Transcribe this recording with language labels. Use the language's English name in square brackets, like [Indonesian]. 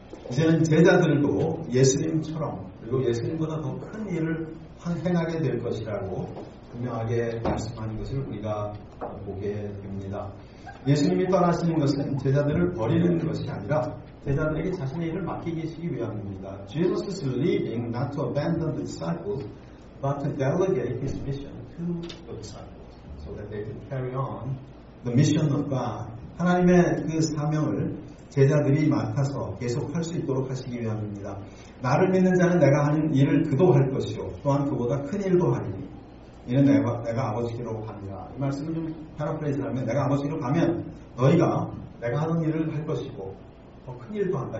[Korean] 이제는 제자들도 예수님처럼 그리고 예수님보다 더 큰 일을 행하게 될 것이라고 분명하게 말씀하는 것을 우리가 보게 됩니다. 예수님이 떠나시는 것은 제자들을 버리는 것이 아니라 제자들에게 자신의 일을 맡기시기 위함입니다. [English] Jesus is leaving not to abandon the disciples but to delegate his mission to the disciples so that they can carry on the mission of God. [Korean] 하나님의 그 사명을 제자들이 맡아서 계속 할 수 있도록 하시기 위함입니다. 나를 믿는 자는 내가 하는 일을 그도 할 것이요 또한 그보다 큰 일도 하리니 이는 내가 아버지께로 갑니다. 이 말씀을 좀 패러프레이즈 하면 내가 아버지께로 가면 너희가 내가 하는 일을 할 것이고 더 큰 일도 한다.